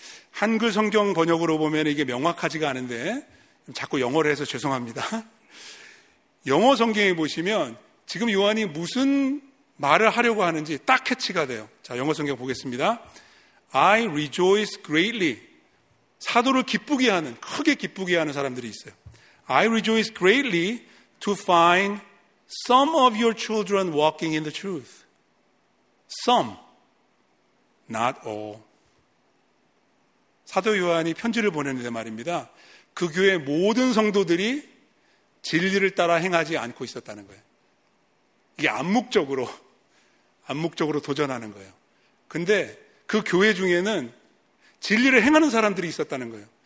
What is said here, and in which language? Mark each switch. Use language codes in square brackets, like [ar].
[ko] 한글 성경 번역으로 보면 이게 명확하지가 않은데 자꾸 영어를 해서 죄송합니다. 영어 성경에 보시면 지금 요한이 무슨 말을 하려고 하는지 딱 캐치가 돼요. 자, 영어 성경 보겠습니다. [en] I rejoice greatly. [ko] 사도를 기쁘게 하는, 크게 기쁘게 하는 사람들이 있어요. [en] I rejoice greatly to find some of your children walking in the truth. Some, not all. [ko] 사도 요한이 편지를 보냈는데 말입니다. 그 교회 모든 성도들이 진리를 따라 행하지 않고 있었다는 거예요. 이게 암묵적으로 도전하는 거예요. 근데 그 교회 중에는 진리를 행하는 사람들이 있었다는 거예요.